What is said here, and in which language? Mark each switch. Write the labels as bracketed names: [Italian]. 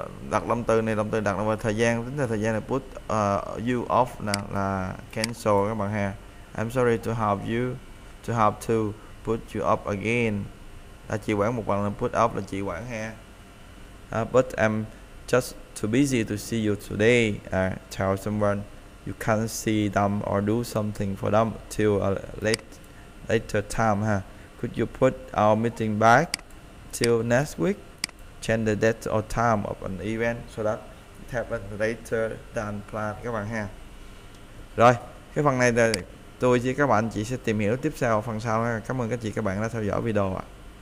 [Vietnamese] đặt động từ này, động từ đặt động từ thời gian, tính là thời gian là put you off nè, là cancel các bạn ha. [English] I'm sorry to have to put you off again. [Vietnamese] Là trì hoãn một lần là put off là trì hoãn ha. [English] But I'm just too busy to see you today. Tell someone you can't see them or do something for them till a later time, ha. Could you put our meeting back till next week? Change the date or time of an event so that it happens later than planned, [Vietnamese] các bạn ha. Rồi, cái phần này là tôi với các bạn chị sẽ tìm hiểu tiếp sau phần sau. Cảm ơn các chị các bạn đã theo dõi video ạ.